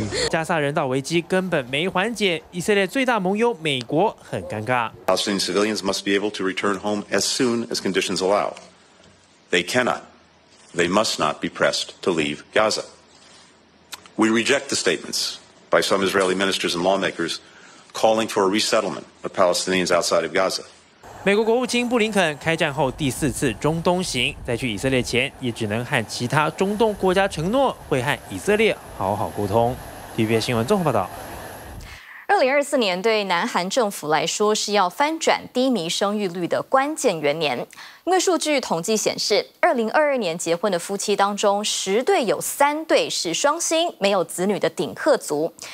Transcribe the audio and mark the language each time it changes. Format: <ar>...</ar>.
<zh>加萨人道危机根本没缓解，以色列最大盟友美国很尴尬。</zh> <en>Palestinian civilians must be able to return home as soon as conditions allow. They cannot, they must not be pressed to leave Gaza. We reject the statements by some Israeli ministers and lawmakers calling for a resettlement of Palestinians outside of Gaza.</en> <zh>美国国务卿布林肯开战后第4次中东行，在去以色列前也只能和其他中东国家承诺会和以色列好好沟通。 TVBS 新闻综合报道。 2024年对南韩政府来说是要翻转低迷生育率的关键元年，因为数据统计显示2022年结婚的夫妻当中10对有3对是双薪没有子女的顶客族。</zh>